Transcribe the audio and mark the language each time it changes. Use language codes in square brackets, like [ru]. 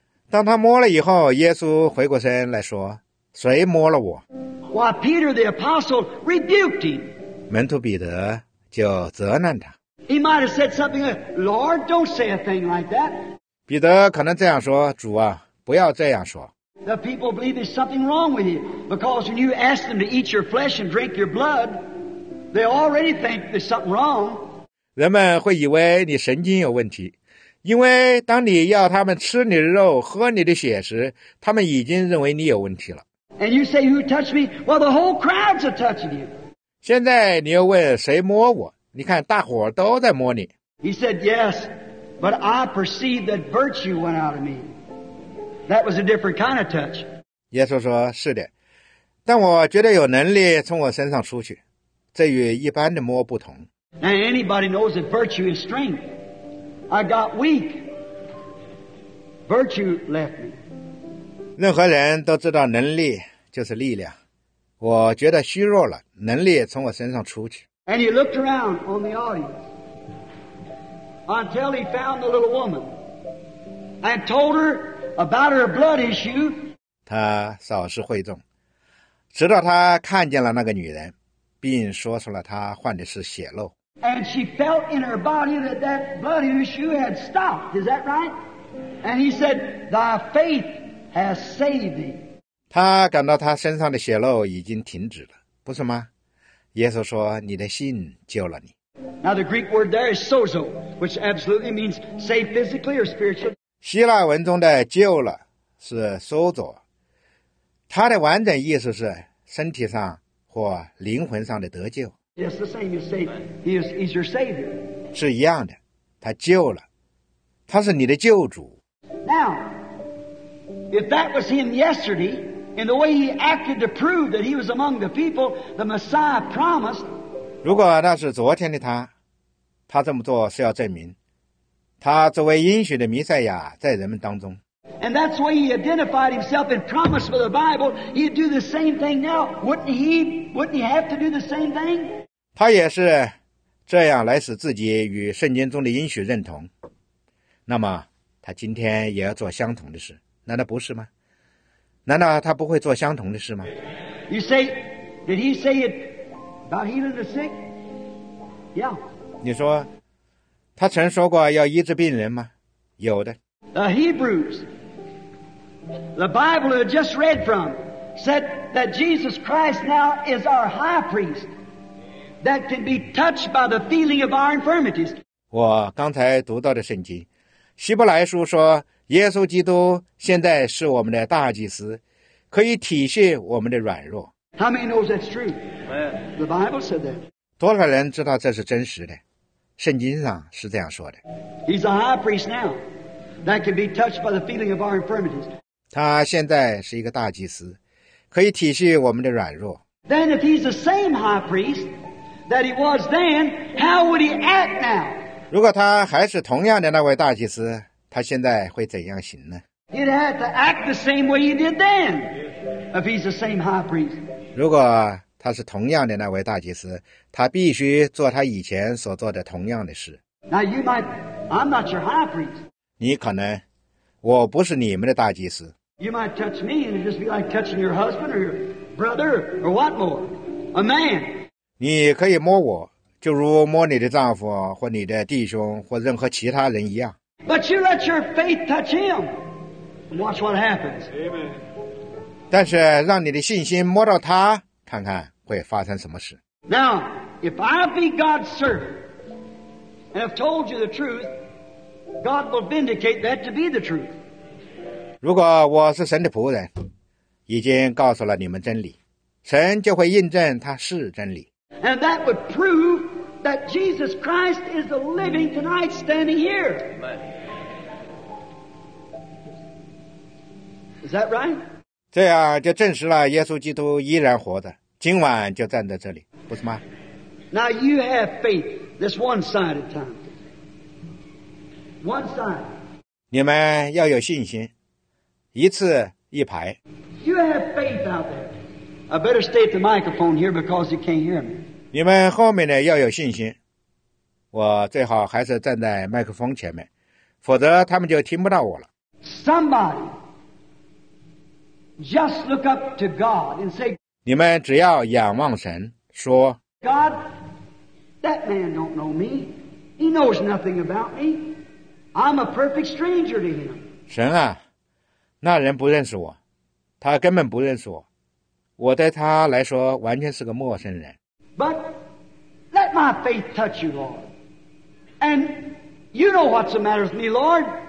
[zh] 当他摸了以后，耶稣回过身来说，谁摸了我？ [en] Why, Peter the apostle rebuked him. [zh] 门徒彼得就责难他。 [en] He might have said something like, Lord, don't say a thing like that. [zh] 彼得可能这样说，主啊，不要这样说。 [en] The people believe there's something wrong with you, because when you ask them to eat your flesh and drink your blood, they already think there's something wrong. [zh] 人们会以为你神经有问题。因为当你要他们吃你的肉喝你的血时，他们已经认为你有问题了。 [en] And you say, who touched me? Well, the whole crowds are touching you. [zh] 现在你又问谁摸我，你看大伙都在摸你。 [en] He said, yes, but I perceived that virtue went out of me. That was a different kind of touch. [zh] 耶稣说，是的，但我觉得有能力从我身上出去，这与一般的摸不同。 [en] Now anybody knows that virtue is strength. I got weak. Virtue left me. [zh] 任何人都知道能力就是力量。我觉得虚弱了，能力从我身上出去。 [en] And he looked around on the audience until he found the little woman and told her about her blood issue. [zh] 他扫视会众，直到他看见了那个女人，并说出了她患的是血漏。 [en] And she felt in her body that blood issue had stopped. Is that right? And he said, "Thy faith has saved thee." [zh] 他感到他身上的血漏已经停止了，不是吗？耶稣说，你的信救了你。 [en] Now the Greek word there is sozo, which absolutely means save physically or spiritually. [zh] 希腊文中的救了是 sozo， 它的完整意思是身体上或灵魂上的得救。 [en] Yes, the same as Savior. He's your Savior. [zh] 是一样的，他救了，他是你的救主。 [en] Now, if that was him yesterday, in the way he acted to prove that he was among the people the Messiah promised, [zh] 如果那是昨天的他，他这么做是要证明，他作为应许的弥赛亚在人们当中。 [en] And that's why he identified himself and promised with the Bible he'd do the same thing now. Wouldn't he have to do the same thing? [zh] 他也是这样来使自己与圣经中的应许认同。那么他今天也要做相同的事，难道不是吗？难道他不会做相同的事吗？ [en] You say, did he say it about healing the sick? Yeah. [zh] 你说，他曾说过要医治病人吗？有的。 [en] The Hebrews, the Bible I just read from, said that Jesus Christ now is our high priest that can be touched by the feeling of our infirmities. [zh] 我刚才读到的圣经，希伯来书说，耶稣基督现在是我们的大祭司，可以体恤我们的软弱。 [en] How many knows that's true? The Bible said that. [zh] 多少人知道这是真实的？圣经上是这样说的。 [en] He's a high priest now. That can be touched by the feeling of our infirmities. [zh] 他现在是一个大祭司，可以体恤我们的软弱。 [en] Then if he's the same high priest that he was then, how would he act now? [zh] 如果他还是同样的那位大祭司，他现在会怎样行呢？ [en] He'd have to act the same way he did then, if he's the same high priest. [zh] 如果他是同样的那位大祭司，他必须做他以前所做的同样的事。 [en] Now you might, I'm not your high priest. [zh] 你可能我不是你们的大祭司。 [en] You might touch me and it'd just be like touching your husband or your brother or what more, a man. [zh] 你可以摸我，就如摸你的丈夫或你的弟兄或任何其他人一样。 [en] But you let your faith touch him and watch what happens. Amen. [zh] 但是让你的信心摸到他，看看会发生什么事。 [en] Now, if I be God's servant and have told you the truth, God will vindicate that to be the truth. [zh] 如果我是神的仆人，已经告诉了你们真理，神就会印证他是真理。 [en] And that would prove that Jesus Christ is the living tonight standing here. Is that right? [zh] 这样就证实了耶稣基督依然活着，今晚就站在这里，不是吗？ [en] Now you have faith this one side of time. One side. [zh] 你们要有信心。一次一排。 [en] You have faith out there. I better stay at the microphone here because you can't hear me. [zh] 你们后面呢要有信心。我最好还是站在麦克风前面，否则他们就听不到我了。 [en] Somebody just look up to God and say. [zh] 你们只要仰望神，说。 [en] God, that man don't know me. He knows nothing about me. I'm a perfect stranger to him. [zh] 神啊。那人不认识我，他根本不认识我，我对他来说完全是个陌生人。 [en] But let my faith touch you, Lord, and you know what's the matter with me, Lord.